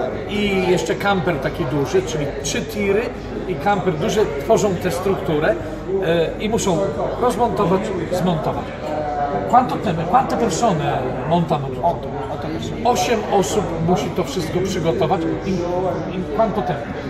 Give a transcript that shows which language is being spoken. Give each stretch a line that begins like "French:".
Polish: i jeszcze camper taki duży, czyli trzy tiry i camper duży tworzą tę strukturę i muszą rozmontować, zmontować.
Italian: Quante persone montano tutto?
Polish: 8 osób musi to wszystko przygotować.
Italian: Quanto tempo?